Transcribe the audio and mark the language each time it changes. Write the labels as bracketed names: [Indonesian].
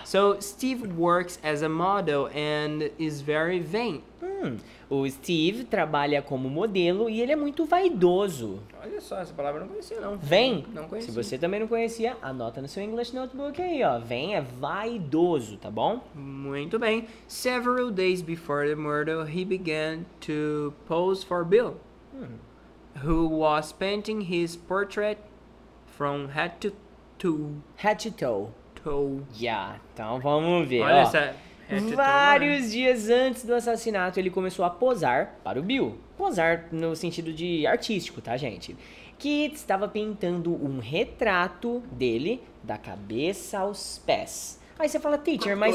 [English] So, Steve works as a model and is very vain. [Portuguese] O Steve trabalha como modelo e ele é muito vaidoso. Olha só, essa palavra eu não conhecia, não. [English] Vain? [Portuguese] Não conhecia. Se você também não conhecia, anota no seu English Notebook aí, ó. Vain é vaidoso, tá bom? Muito bem. [English] Several days before the murder, he began to pose for Bill, who was painting his portrait from head to toe. [Portuguese] Yeah, então vamos ver. Olha essa. Vários dias antes do assassinato, ele começou a posar para o Bill. Posar no sentido de artístico, tá, gente? Que estava pintando um retrato dele da cabeça aos pés. Aí você fala, teacher, mas